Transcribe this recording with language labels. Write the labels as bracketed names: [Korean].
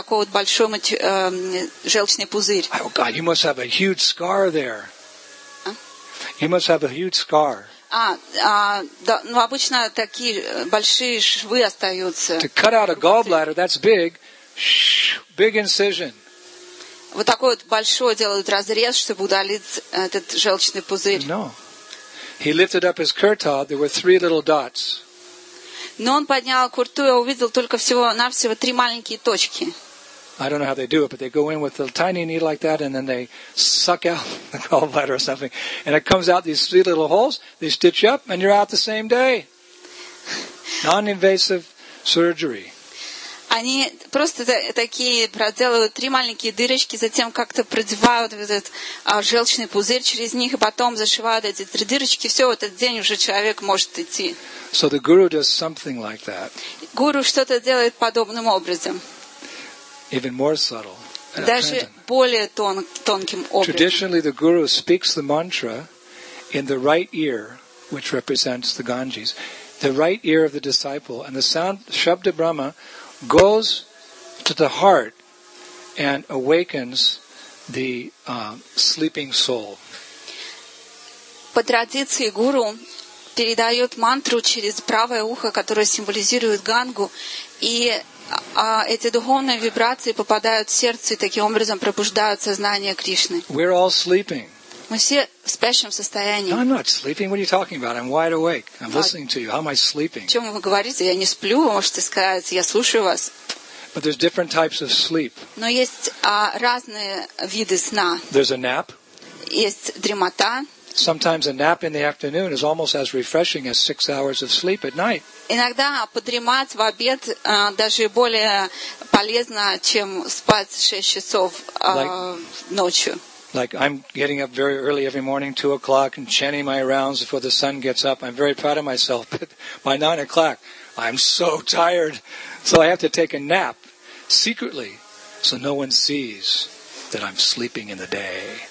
[English] God, you must have a huge scar there. You must have a huge scar. [Russian] Обычно такие большие швы остаются. [English] To cut out a gallbladder, that's big. Big incision. [Russian] Вот такой вот большой делают разрез, чтобы удалить этот желчный пузырь. [English] No. He lifted up his kurta, there were three little dots. [Russian] Но он поднял курту и увидел только всего-навсего три маленькие точки. [English] I don't know how they do it, but they go in with a tiny needle like that and then they suck out the gallbladder or something. And it comes out these three little holes, they stitch up and you're out the same day. Non-invasive surgery. [Russian] Они просто такие проделывают три маленькие дырочки, затем как-то продевают вот этот желчный пузырь через них, и потом зашивают эти три дырочки. Все, этот день уже человек может идти. [English] So the guru does something like that. [Russian] Гуру что-то делает подобным образом. [English] Even more subtle. [Russian] Даже более тонким образом. [English] Traditionally, the guru speaks the mantra in the right ear, which represents the Ganges, the right ear of the disciple, and the sound Shabda Brahma goes to the heart and awakens the sleeping soul. [Russian] По традиции гуру передает мантру через правое ухо, которое символизирует Гангу, и эти духовные вибрации попадают в сердце и таким образом пробуждают сознание Кришны. [English] We're all sleeping. [Russian] Мы все в спящем состоянии. [English] No, I'm not sleeping. What are you talking about? I'm wide awake. I'm listening to you. How am I sleeping? [Russian] О чем вы говорите? Я не сплю. Вы можете сказать, я слушаю вас. [English] But there's different types of sleep. [Russian] Но есть разные виды сна. [English] There's a nap. [Russian] Есть дремота. [English] Sometimes a nap in the afternoon is almost as refreshing as 6 hours of sleep at night. [Russian] Иногда подремать в обед даже более полезно, чем спать 6 часов ночью. [English] Like I'm getting up very early every morning, 2 o'clock, and chanting my rounds before the sun gets up. I'm very proud of myself. But by 9 o'clock, I'm so tired, so I have to take a nap secretly, so no one sees that I'm sleeping in the day.